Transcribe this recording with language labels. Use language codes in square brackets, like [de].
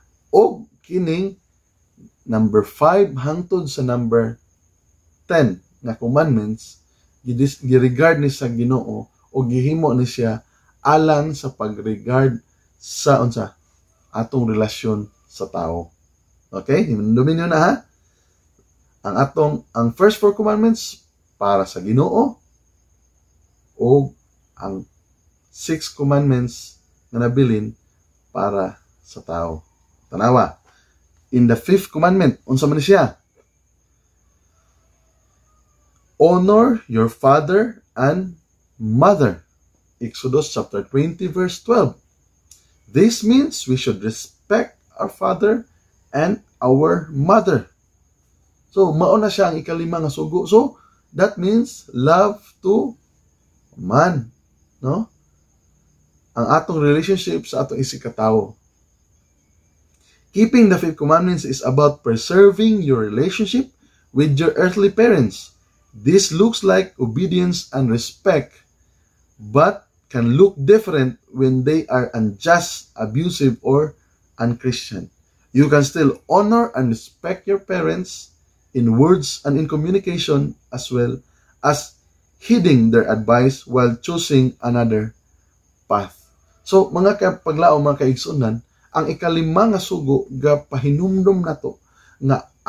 [ceb] O kining number 5 hangtod sa number 10 na commandments giregard ni sa Ginoo o gihimo ni siya alang sa pagregard sa unsa atong relasyon sa tao. Okay? Dominyo na ha? Ang first four commandments para sa Ginoo o ang six commandments na nabilin para sa tao. Tanawa, [en] in the fifth commandment, [ceb] unsa man siya? [en] Honor your father and mother. Exodus chapter 20 verse 12. This means we should respect our father and our mother. [ceb] So, mauna siya ang ikalima nga sugo. [en] So, that means love to man, no? [ceb] Ang atong relationship sa atong isikatawo. [en] Keeping the fifth commandments is about preserving your relationship with your earthly parents. This looks like obedience and respect, but can look different when they are unjust, abusive, or unchristian. You can still honor and respect your parents in words and in communication as well as heeding their advice while choosing another path. [ceb] So, mga kapaglao, mga kaigsoonan, ang ikalima nga sugo, gapahinumdum na to, nga